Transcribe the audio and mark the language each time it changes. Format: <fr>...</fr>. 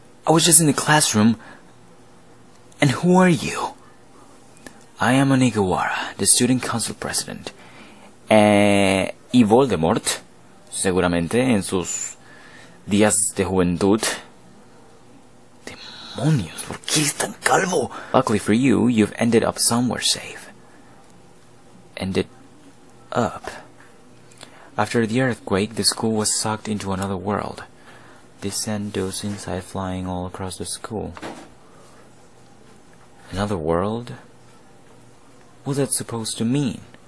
<en>I was just in the classroom. And who are you? I am Onigawara, the student council president.</en> <es>Y Voldemort, seguramente en sus días de juventud. Demonios, ¿por qué es tan calvo?</es> <en>Luckily for you, you've ended up somewhere safe. Ended up. After the earthquake, the school was sucked into another world. They sent those inside flying all across the school. Another world? What's that supposed to mean?</en>